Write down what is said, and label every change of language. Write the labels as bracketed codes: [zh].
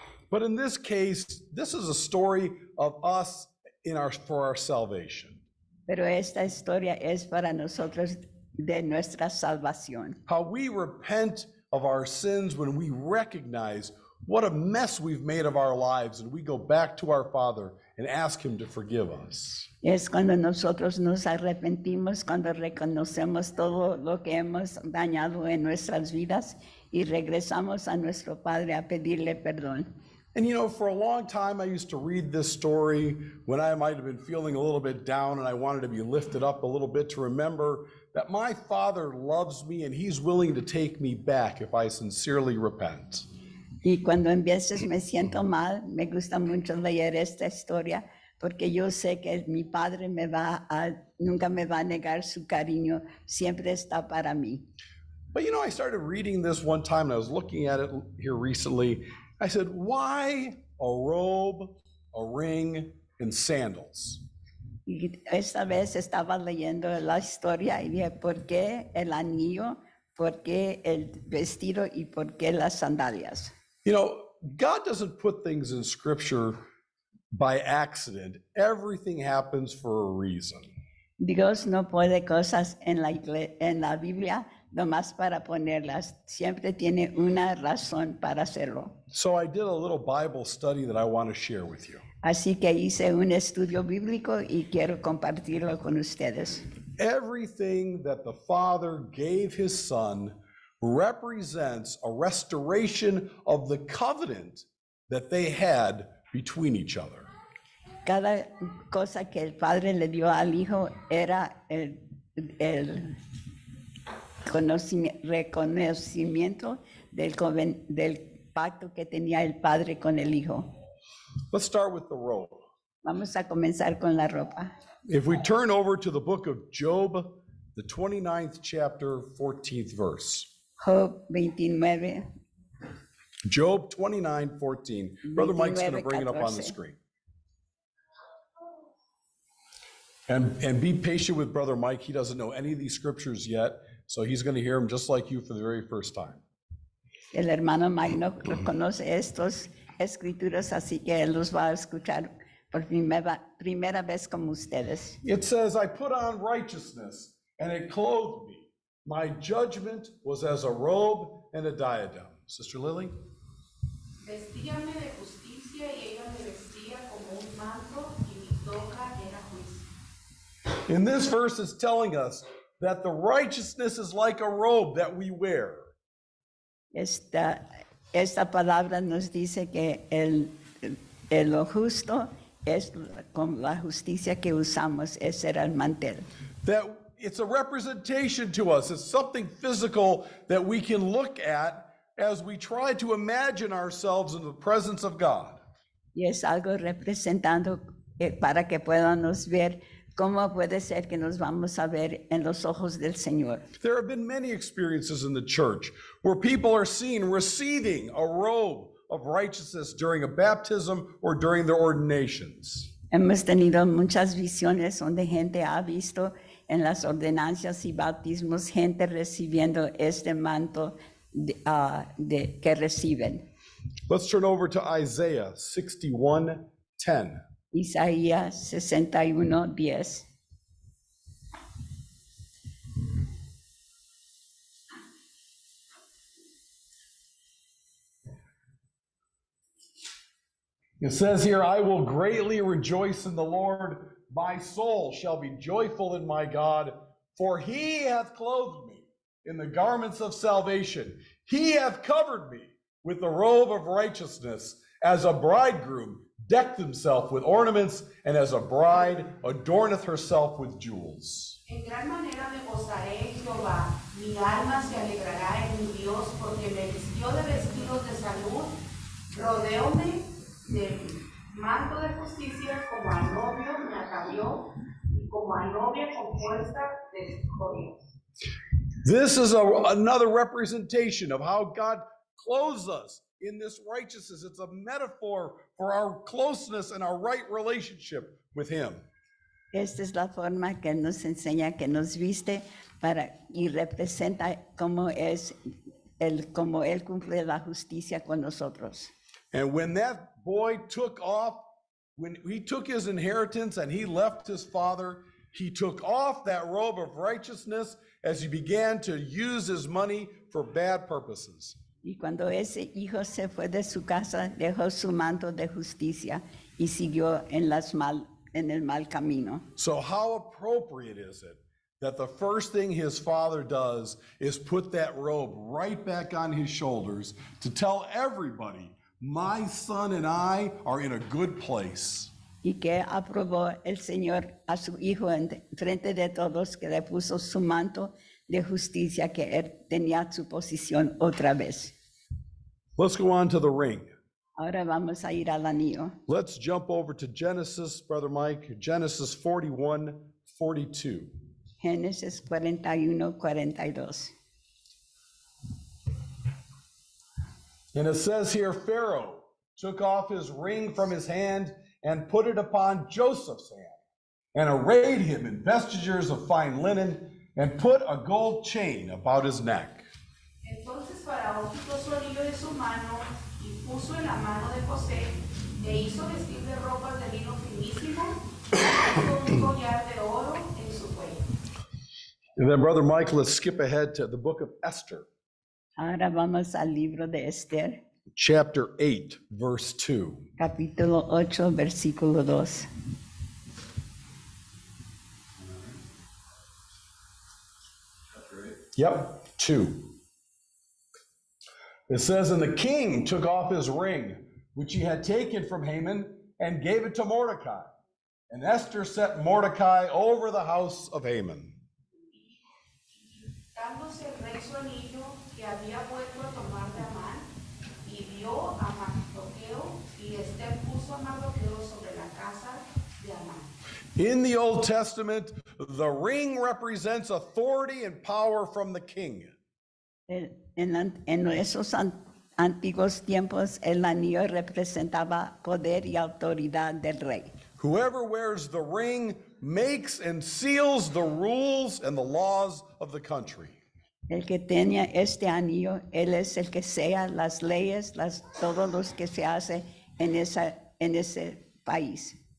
[en] But in this case, this is a story of us for our salvation. [es] Pero esta historia es para nosotros de nuestra salvación. [en] How we repent of our sins when we recognize what a mess we've made of our lives and we go back to our Father and ask Him to forgive us. [es] Es cuando nosotros nos arrepentimos, cuando reconocemos todo lo que hemos dañado en nuestras vidas y regresamos a nuestro Padre a pedirle perdón. [en] And you know, for a long time, I used to read this story when I might have been feeling a little bit down and I wanted to be lifted up a little bit to remember that my Father loves me and He's willing to take me back if I sincerely repent. [es] Y cuando en veces me siento mal, me gusta mucho leer esta historia porque yo sé que mi Padre nunca me va a negar su cariño, siempre está para mí. [en] But you know, I started reading this one time and I was looking at it here recently. I said, why a robe, a ring, and sandals? [es] Esta vez estaba leyendo la historia y dije, ¿por qué el anillo? ¿Por qué el vestido? ¿Y por qué las sandalias? [en] You know, God doesn't put things in Scripture by accident. Everything happens for a reason. [es] Dios no pone cosas en la Biblia nomás para ponerlas. Siempre tiene una razón para hacerlo. [en] So I did a little Bible study that I want to share with you. [es] Así que hice un estudio bíblico y quiero compartirlo con ustedes. [en] Everything that the Father gave His Son represents a restoration of the covenant that they had between each other. [es] Cada cosa que el Padre le dio al Hijo era el reconocimiento del pacto que tenía el Padre con el Hijo. [en] Let's start with the robe. [es] Vamos a comenzar con la ropa. [en] If we turn over to the book of Job, the 29th chapter, 14th verse. Job 29. Job 29, 14. Brother Mike's going to bring 14. It up on the screen. And be patient with Brother Mike. He doesn't know any of these scriptures yet. So he's going to hear them just like you for the very first time. [es] El hermano Mike no conoce estos escrituras, así que él los va a escuchar por primera vez como ustedes. [en] It says, I put on righteousness and it clothed me. My judgment was as a robe and a diadem. Sister Lily? [es] Vestíame de justicia y ella me vestía como un manto y mi toga era juicio. [en] In this verse, it's telling us that the righteousness is like a robe that we wear. [es] Esta palabra nos dice que lo justo es como la justicia que usamos, ese era el mantel. [en] That it's a representation to us, it's something physical that we can look at as we try to imagine ourselves in the presence of God. [es] Y es algo representando para que podamos ver. ¿Cómo puede ser que nos vamos a ver en los ojos del Señor? [en] There have been many experiences in the church where people are seen receiving a robe of righteousness during a baptism or during their ordinations. [es] Hemos tenido muchas visiones donde gente ha visto en las ordenancias y bautismos gente recibiendo este manto de que reciben. [en] Let's turn over to Isaiah 61:10. [es] Isaías 61:10. [en] It says here, I will greatly rejoice in the Lord. My soul shall be joyful in my God, for he hath clothed me in the garments of salvation. He hath covered me with the robe of righteousness, as a bridegroom decked himself with ornaments, and as a bride adorneth herself with jewels. [es] En gran manera me gozaré en Jehová, mi alma se alegrará en mi Dios, porque me vistió de vestidos de salud, rodeóme de manto de justicia, como a novio me atavió, y como a novia compuesta de joyas. [en] This is another representation of how God clothes us in this righteousness. It's a metaphor for our closeness and our right relationship with him. [es] Esta es la forma que nos enseña, que nos viste para y representa cómo es el cómo él cumple la justicia con nosotros. [en] And when that boy took off, when he took his inheritance and he left his father, he took off that robe of righteousness as he began to use his money for bad purposes. [es] Y cuando ese hijo se fue de su casa, dejó su manto de justicia y siguió en las mal, en el mal camino. [en] So how appropriate is it that the first thing his father does is put that robe right back on his shoulders to tell everybody, my son and I are in a good place. [es] Y que aprobó el Señor a su hijo en frente de todos, que le puso su manto de justicia, que él tenía su posición otra vez. [en] Let's go on to the ring. [es] Ahora vamos a ir al anillo. [en] Let's jump over to Genesis, Brother Mike, Genesis 41, 42. Genesis 41, 42. And it says here, Pharaoh took off his ring from his hand and put it upon Joseph's hand and arrayed him in vestures of fine linen and put a gold chain about his neck. [es] Entonces Faraón quitó su anillo de su mano y puso en la mano de José, e hizo vestir de ropas de lino finísimo, y puso un collar de oro en su cuello. [en] And then, Brother Michael, let's skip ahead to the book of Esther. [es] Ahora vamos al libro de Esther. [en] Chapter 8, verse 2. [es] Capítulo 8, versículo 2. [en] Yep, 2. It says, and the king took off his ring, which he had taken from Haman, and gave it to Mordecai. And Esther set Mordecai over the house of Haman. [es] Dándose el rey su anillo que había vuelto a tomar de Amán, y vio a Mardoqueo, y Esther puso a Mardoqueo sobre la casa de Amán. [en] In the Old Testament, the ring represents authority and power from the king. [es] En esos antiguos tiempos, el anillo representaba poder y autoridad del rey. [en] Whoever wears the ring makes and seals the rules and the laws of the country. [es] El que tenía este anillo, él es el que sea las leyes, las todos los que se hace en ese país.